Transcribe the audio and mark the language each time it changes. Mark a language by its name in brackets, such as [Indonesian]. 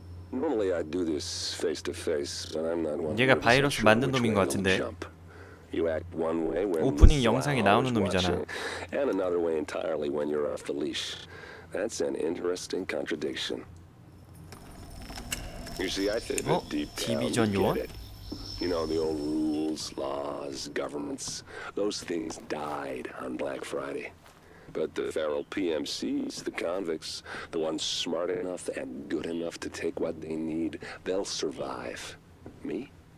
[English] Normally I'd do this face to face, but I'm not one. [Korean] 얘가 바이러스 만든 놈인 것 같은데. 오프닝 영상에 나오는 놈이잖아. [English] And another way entirely when you're off the leash. That's an interesting contradiction. You see, I think a deep division you're. You know the old rules, laws, governments. Those things died on Black Friday. But the feral PMCs, the convicts, the ones smart enough and good enough to take what they need, they'll survive. Me?